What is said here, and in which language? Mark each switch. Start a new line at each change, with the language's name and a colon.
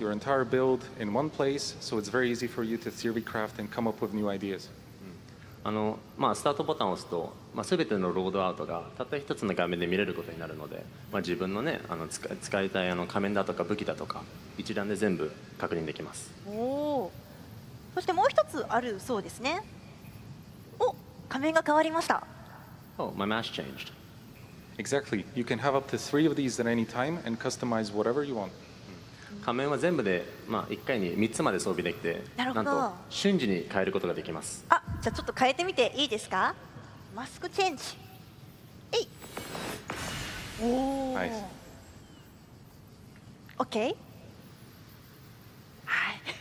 English: Your entire build in one place, so it's very easy for you to theorycraft and come up with new ideas.
Japanese: まあ、スタートボタンを押すと、まあ、全てのロードアウトがたった一つの画面で見れることになるので、まあ、自分のね、使いたい仮面だとか武器だとか、一覧で全部確認できます。おお。そしてもう一つあるそうですね。お、仮面が変わりました。
English: Oh, my mask changed. Exactly. You can have up to three of these at any time and customize whatever you want.
Japanese: 仮面は全部で、まあ、1回に3つまで装備できて、なるほど。なんと瞬時に変えることができます。あ、じゃあちょっと変えてみていいですか？マスクチェンジ。えい。おお。ナイス。 OK。はい。